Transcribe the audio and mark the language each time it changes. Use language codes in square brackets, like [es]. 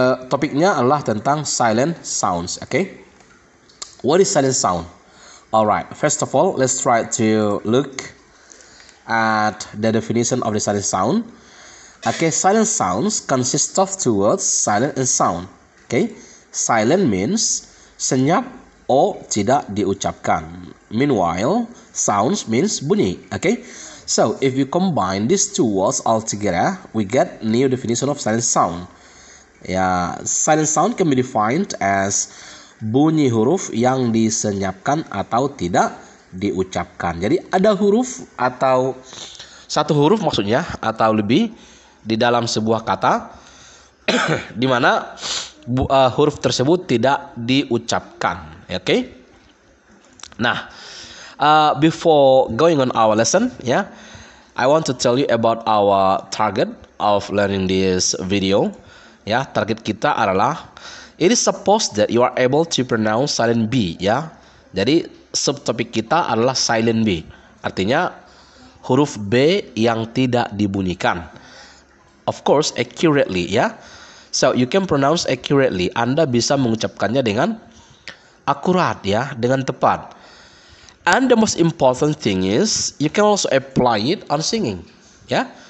[id] Topiknya adalah tentang silent sounds, okay? [en] What is silent sound? Alright, first of all, let's try to look at the definition of the silent sound. Okay, silent sounds consist of two words, silent and sound. Okay, silent means [id] senyap [en] or [id] tidak diucapkan. [en] Meanwhile, sounds means [id] bunyi, [en] okay? So, if you combine these two words altogether, we get new definition of silent sound. Yeah, silent sound can be defined as [id] bunyi huruf yang disenyapkan atau tidak diucapkan. Jadi, ada huruf atau satu huruf maksudnya, atau lebih, di dalam sebuah kata, di mana huruf tersebut tidak diucapkan. [en] Okay? Nah, before going on our lesson, yeah, I want to tell you about our target of learning this video. Yeah, [id] target kita adalah, [en] it is supposed that you are able to pronounce silent B. Yeah, [id] jadi subtopik kita adalah silent B. Artinya huruf B yang tidak dibunyikan. [en] Of course, accurately. Yeah, so you can pronounce accurately. [id] Anda bisa mengucapkannya dengan akurat. Yeah, dengan tepat. [en] And the most important thing is you can also apply it on singing, [id] ya.